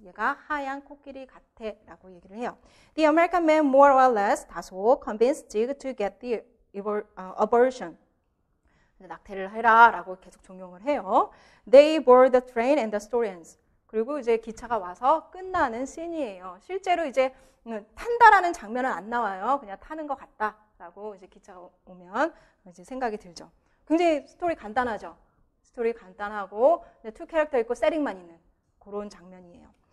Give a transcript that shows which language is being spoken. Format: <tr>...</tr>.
<ko>얘가 하얀 코끼리 같애라고 얘기를 해요.</ko> <en>The American man more or less 다소 convinced Zig to get the abortion.</en> <ko>낙태를 해라라고 계속 종용을 해요.</ko> <en>They board the train and the story ends.</en> <ko>그리고 이제 기차가 와서 끝나는 씬이에요. 실제로 이제 탄다라는 장면은 안 나와요. 그냥 타는 것 같다라고 이제 기차가 오면 이제 생각이 들죠. 굉장히 스토리 간단하죠. 스토리 간단하고 투 캐릭터 있고 세팅만 있는 그런 장면이에요.</ko>